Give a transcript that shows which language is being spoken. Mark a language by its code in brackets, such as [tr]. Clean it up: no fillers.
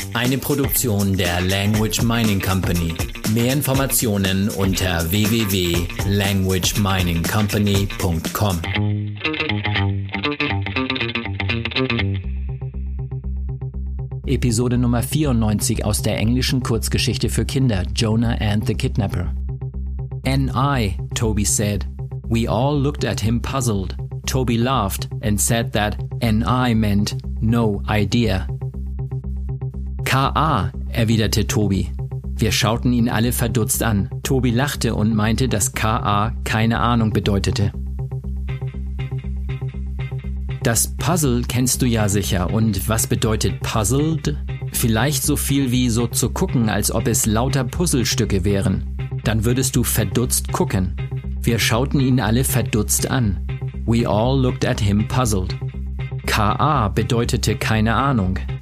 [de] Eine Produktion der Language Mining Company. Mehr Informationen unter www.languageminingcompany.com. Episode Nummer 94 aus der englischen Kurzgeschichte für Kinder, Jonah and the Kidnapper. [en] "And I," Toby said. We all looked at him puzzled. Toby laughed and said that "and I" meant "no idea." [de] "Ka," erwiderte Toby. Wir schauten ihn alle verdutzt an. Toby lachte und meinte, dass "ka" keine Ahnung bedeutete. Das Puzzle kennst du ja sicher. Und was bedeutet puzzled? Vielleicht so viel wie so zu gucken, als ob es lauter Puzzlestücke wären. Dann würdest du verdutzt gucken. Wir schauten ihn alle verdutzt an. [en] We all looked at him puzzled. [de] Ka bedeutete keine Ahnung.